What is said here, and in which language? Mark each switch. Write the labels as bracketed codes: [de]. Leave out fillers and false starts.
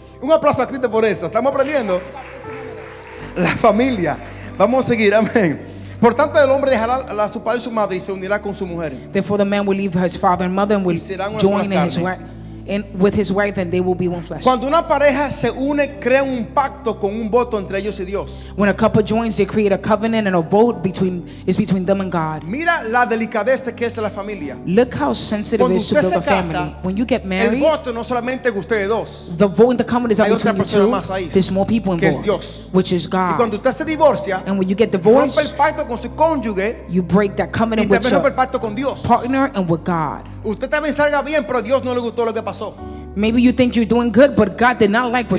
[es] Un aplauso a Cristo por eso. Estamos aprendiendo. La familia. Vamos a seguir. Amén. Por tanto, el hombre dejará a su padre y su madre y se unirá con su mujer. [en] Therefore, the man will leave his father and mother and will join [es] carne. [en] In his wife. And with his wife, then they will be one flesh. [es] Cuando una pareja se une, crea un pacto con un voto entre ellos y Dios. [en] When a couple joins, they create a covenant and a vote between is between them and God. [es] Mira la delicadeza que es la familia. [en] Look how sensitive it is to build a family. When you get married, [es] el voto no solamente es usted de dos. [en] The vote and the covenant is not between you two. There's more people involved. [es] Que es Dios. [en] Which is God. [es] Y cuando usted se divorcia, [en] and when you get divorced, [es] rompe el pacto con su cónyuge, [en] you break that covenant with your [es] el pacto con Dios. [en] Partner and with God. [es] Usted también salga bien, pero Dios no le gustó lo que pasó. [en] Maybe you think you're doing good, but God did not like what